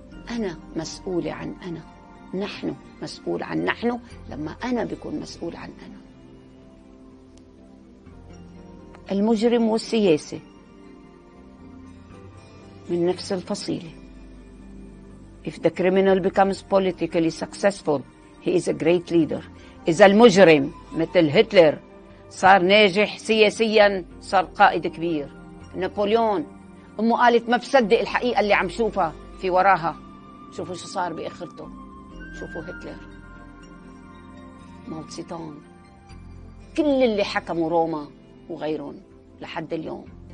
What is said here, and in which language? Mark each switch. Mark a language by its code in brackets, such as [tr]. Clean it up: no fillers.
[ar] أنا مسؤولة عن أنا، نحن مسؤول عن نحن، لما أنا بكون مسؤول عن أنا. المجرم والسياسة من نفس الفصيلة. [en] If the criminal becomes politically successful, he is a great leader. [ar] إذا المجرم مثل هتلر صار ناجح سياسيا صار قائد كبير. نابليون أمه قالت ما بصدق الحقيقة اللي عم شوفها في وراها، شوفوا شو صار بآخرته. شوفوا هتلر، ماو تسي تونغ، كل اللي حكموا روما وغيرهم لحد اليوم.